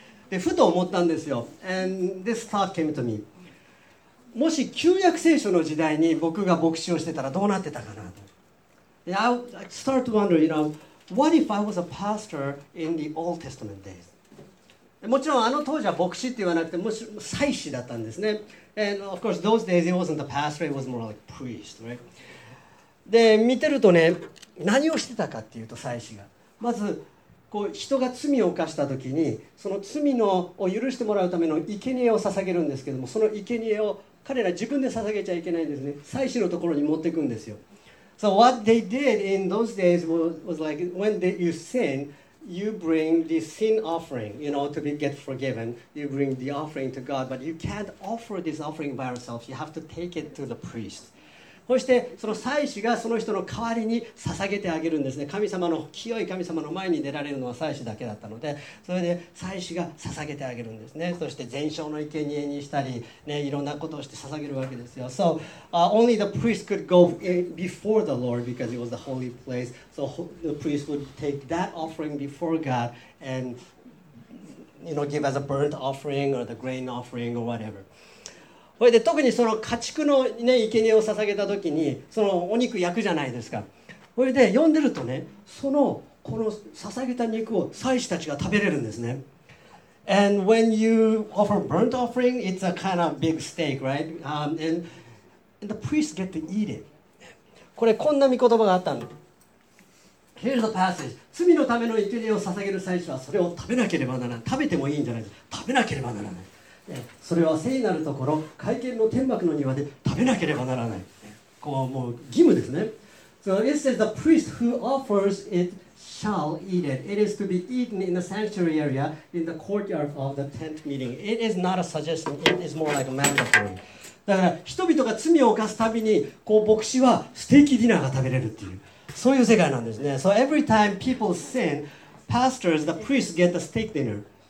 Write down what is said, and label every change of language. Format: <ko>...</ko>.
<ja>で、ふと思ったんですよ。</ja> <en>And this thought came to me.</en> <ja>もし旧約聖書の時代に僕が牧師をしてたらどうなってたかなと。</ja> <en>I start to wonder, you know, what if I was a pastor in the Old Testament days?</en> <ja>もちろんあの当時は牧師って言わなくて、もし祭司だったんですね。</ja> <en>And of course, those days it wasn't a pastor, it was more like a priest, right?</en> <ja>で、見てるとね、何をしてたかっていうと祭司が。まず、こう人が罪を犯したときに、その罪のを許してもらうための生贄を捧げるんですけども、その生贄を彼ら自分で捧げちゃいけないんですね。祭司のところに持っていくんですよ。</ja> <en>So what they did in those days was like when you sin, you bring the sin offering, you know, to be get forgiven. You bring the offering to God, but you can't offer this offering by yourself. You have to take it to the priest.</en> <ja>そしてその祭司がその人の代わりに捧げてあげるんですね。神様の清い神様の前に出られるのは祭司だけだったので、それで祭司が捧げてあげるんですね。そして全焼の生贄にしたり、ね、いろんなことをして捧げるわけですよ。</ja> <en>So, only the priest could go before the Lord because it was the holy place. So the priest would take that offering before God and, you know, give as a burnt offering or the grain offering or whatever.</en> <ja>で特にその家畜の、ね、生贄を捧げた時にそのお肉焼くじゃないですか。それで読んでるとね、そのこの捧げた肉を祭司たちが食べれるんですね。</ja> <en>And when you offer burnt offering, it's a kind of big steak, right? And the priests get to eat it.</en> <ja>これこんな御言葉があったの。</ja> <en>Here's the passage.</en> <ja>罪のための生贄を捧げる祭司はそれを食べなければならない。食べてもいいんじゃないですか。食べなければならない。それは聖なるところ、会見の天幕の庭で食べなければならない。こうもう義務ですね。</ja> <en>So it says the priest who offers it shall eat it. It is to be eaten in the sanctuary area in the courtyard of the tent meeting. It is not a suggestion. It is more like a mandatory.</en> <ja>だから人々が罪を犯すたびにこう牧師はステーキディナーが食べれるっていう、そういう世界なんですね。</ja> <en>So every time people sin, pastors, the priests get the steak dinner.</en>